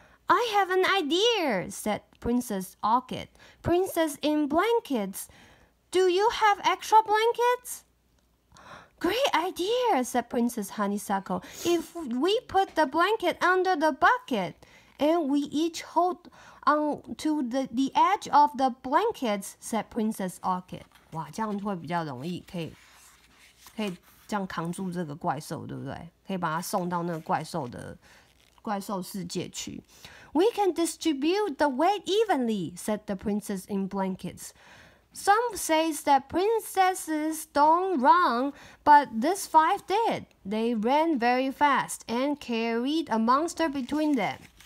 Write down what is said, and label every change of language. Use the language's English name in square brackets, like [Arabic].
[English] I have an idea, said Princess Orchid. Princess in blankets, do you have extra blankets? Great idea, said Princess Honeysuckle. If we put the blanket under the bucket and we each hold on to the edge of the blankets, said Princess Orchid. [Chinese] 哇，这样会比较容易，可以这样扛住这个怪兽，对不对？可以把它送到那个怪兽世界去。 [English] We can distribute the weight evenly, said the princess in blankets. Some say that princesses don't run, but this five did. They ran very fast and carried a monster between them.